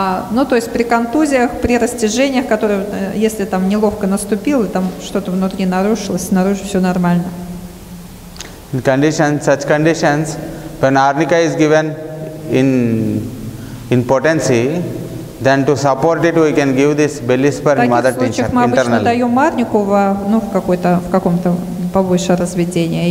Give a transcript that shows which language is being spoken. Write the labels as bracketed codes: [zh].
[ru] Ну то есть при контузиях, при растяжениях, которые, если там неловко наступил и там что-то внутри нарушилось, снаружи все нормально. [en] In conditions, such conditions, when arnica is given in potency. Then to support it, we can give this Беллис Пер mother tincture [ru] В таких случаях мы обычно даем арнику в каком-то повыше разведении.